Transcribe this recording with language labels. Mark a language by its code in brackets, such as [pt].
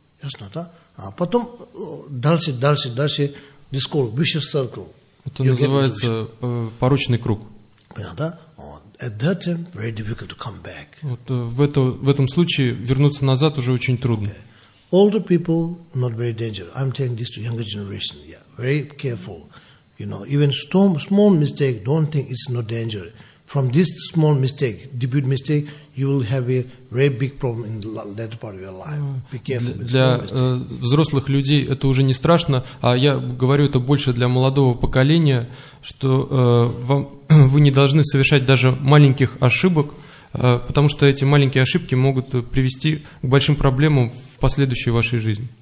[ru] Ясно, да? А потом дальше, дискорд, [en] vicious circle. [ru] Это называется порочный круг. Понятно, да? [en] At that time, very difficult to come back. [ru] Вот в этом случае вернуться назад уже очень трудно. [en] Okay. Older people not very dangerous. I'm telling this to younger generation. Yeah, very careful. You know, even small mistake, don't think it's not dangerous. From this small mistake, debut mistake, you will have a very big problem in that part of your life. Be careful. [ru] Для взрослых людей это уже не страшно, а я говорю это больше для молодого поколения, что вы не должны совершать даже маленьких ошибок, потому что эти маленькие ошибки могут привести к большим проблемам в последующей вашей жизни.